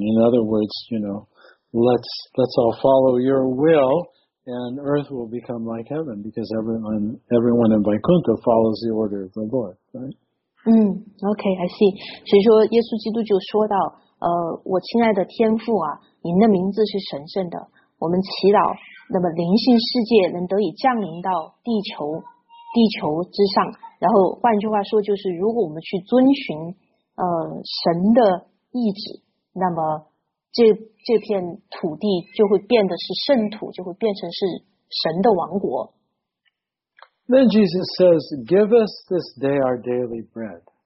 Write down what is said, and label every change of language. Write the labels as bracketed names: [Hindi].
[English] In other words, you know, let's all follow your will and earth will become like heaven because everyone in Vaikuntha follows the order of the Lord, right? I see. [Chinese] 所以说耶稣基督就说到我亲爱的天父啊，您的名字是神圣的，我们祈祷那么灵性世界能得以降临到地球之上，然后换句话说就是如果我们去遵循神的意志，那么这片土地就会变得是圣土，就会变成是神的王国。 [English] Then Jesus says, give us this day our daily bread.